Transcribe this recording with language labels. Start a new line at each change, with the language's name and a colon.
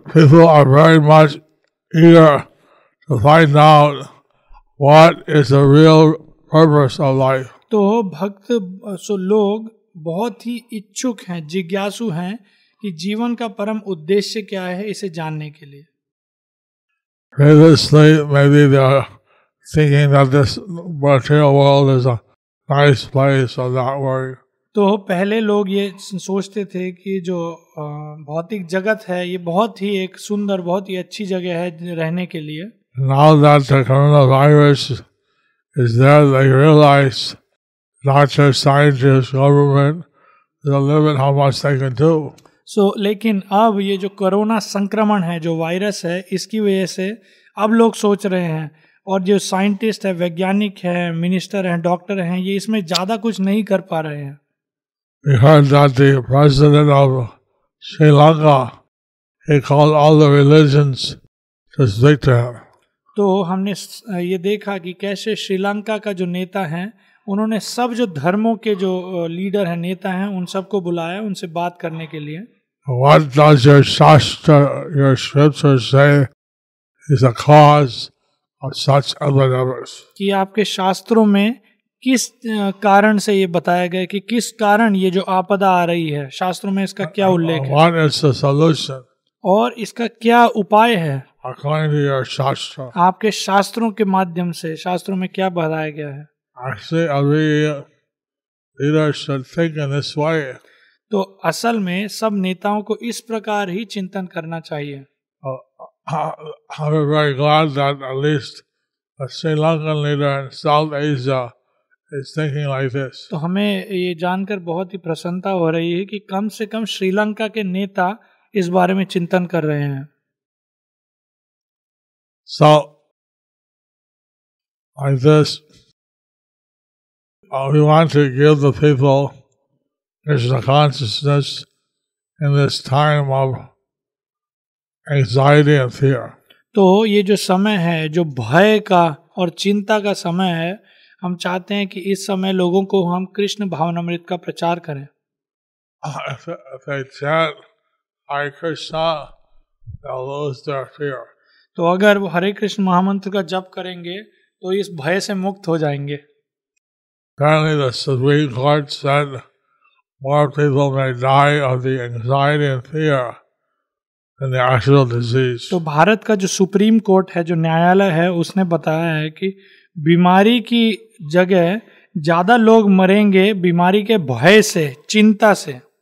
English: People are very much eager to find out what is the real purpose of life.
Hindi: तो भक्त सो लोग बहुत ही इच्छुक हैं जिज्ञासु हैं कि जीवन का परम उद्देश्य क्या है इसे जानने के लिए
English: Previously, maybe they are thinking that this material world is a nice place or that way.
Hindi: तो पहले लोग ये सोचते थे कि जो भौतिक जगत है ये बहुत ही एक सुंदर बहुत ही अच्छी जगह है रहने के लिए
English: Now that the coronavirus is there, they realize doctors, scientists, government, there's a limit how much they can do.
Hindi: So, लेकिन अब ये जो कोरोना संक्रमण है जो वायरस है इसकी वजह से अब लोग सोच रहे हैं और जो साइंटिस्ट है वैज्ञानिक है मिनिस्टर हैं डॉक्टर हैं ये इसमें ज़्यादा कुछ नहीं कर पा रहे हैं
English: We heard that the president of Sri Lanka, he called all the religions to speak to him.
Hindi: तो हमने ये देखा कि कैसे श्रीलंका का जो नेता है उन्होंने सब जो धर्मों के जो लीडर हैं नेता हैं उन सबको बुलाया उनसे बात करने के लिए
English: What does your shastra, your scriptures say is the cause of such epidemics?
Hindi: कि आपके शास्त्रों में किस कारण से ये बताया गया कि किस कारण ये जो आपदा आ रही है शास्त्रों में इसका क्या उल्लेख है
English: What is the solution?
Hindi: और इसका क्या उपाय है
English: According to your shastra.
Hindi: आपके शास्त्रों के माध्यम से शास्त्रों में क्या बताया गया है तो असल में सब नेताओं को इस प्रकार ही चिंतन करना चाहिए
English: I'm very glad that at least Sri Lankan leader in South Asia is thinking like this.
Hindi: तो हमें ये जानकर बहुत ही प्रसन्नता हो रही है कि कम से कम श्रीलंका के नेता इस बारे में चिंतन कर रहे हैं.
English: So, like this, we want to give the people Krishna consciousness in this time of anxiety and fear.
Hindi: तो ये जो समय है, जो भय का और चिंता का समय है, हम चाहते हैं कि इस समय लोगों को हम कृष्ण भावनामृत का प्रचार करें.
English: If they chant Hare Krishna, they'll lose their fear.
Hindi: तो अगर वो हरे कृष्ण महामंत्र का जप करेंगे तो इस भय से मुक्त हो जाएंगे.
English: Apparently the Supreme Court said more people may die of the anxiety and fear than the actual disease.
Hindi: तो भारत का जो सुप्रीम कोर्ट है, जो न्यायालय है, उसने बताया है कि बीमारी की जगह ज्यादा लोग मरेंगे बीमारी के भय से, चिंता से.